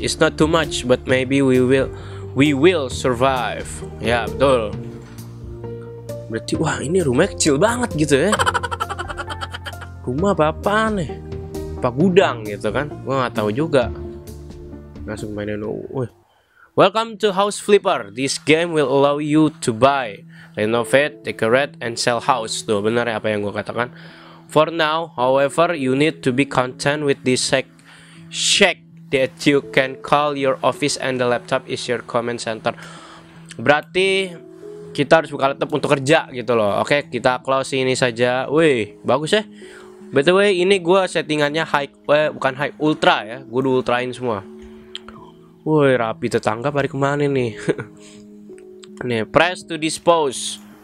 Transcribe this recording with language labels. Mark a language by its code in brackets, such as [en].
[en] It's not too much, but maybe we will survive. [id] Ya, yeah, betul. Berarti wah, ini rumahnya kecil banget gitu ya. Rumah apa-apaan nih? Apa gudang gitu kan? Gue enggak tahu juga. Langsung mainin. [en] Welcome to House Flipper. This game will allow you to buy, renovate, decorate, and sell house. [id] Tuh, benar ya apa yang gue katakan. [en] For now, however, you need to be content with this shack that you can call your office and the laptop is your command center. [id] Berarti kita harus buka laptop untuk kerja gitu loh. Oke, kita close ini saja. Wih, bagus ya. [en] By the way, [id] ini gue settingannya ultra ya. Gue udah ultrain semua. Woi, rapi tetangga pari kemana nih? Nih, [en] press to dispose.